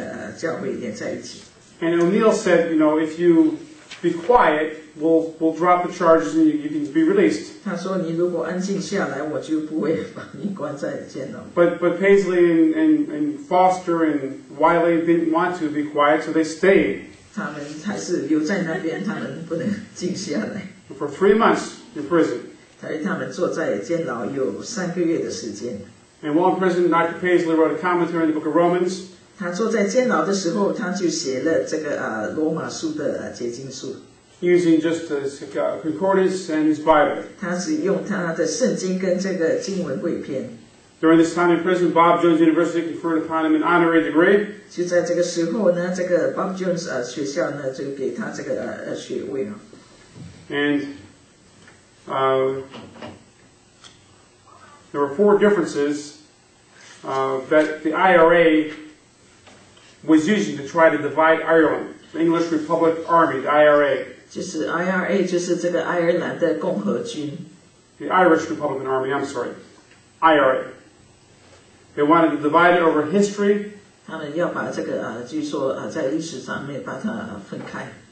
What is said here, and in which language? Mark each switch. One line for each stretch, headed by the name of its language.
Chinese: 他要借着这个宗教的合一呢，把这些爱尔兰的那个教会连在一起。
English: And O'Neill said, you know, if you be quiet, we'll drop the charges and you can be released.
Chinese: 他说你如果安静下来，我就不会把你关在监牢。
English: But Paisley and Foster and Wiley didn't want to be quiet, so they stayed.
Chinese: 他们还是留在那边，他们不能静下来。
English: For 3 months in prison.
Chinese: 他坐在监牢有三个月的时间。
English: And while in prison, Dr. Paisley wrote a commentary in the book of Romans.
Chinese: 他坐在监牢的时候，他就写了这个罗马书的结晶书。
English: Using just his concordance and his Bible.
Chinese: 他只用他的圣经跟这个经文汇编。
English: During this time in prison, Bob Jones University conferred upon him an honorary degree.
Chinese: 就在这个时候呢，这个Bob Jones学校呢，就给他这个学位。
English: And There were four differences that the IRA was using to try to divide Ireland, the English Republic Army, the IRA.
Chinese: 就是IRA，就是这个爱尔兰的共和军。
English: The Irish Republican Army, I'm sorry, IRA. They wanted to divide it over history.
Chinese: 他们要把这个，据说在历史上面把它分开。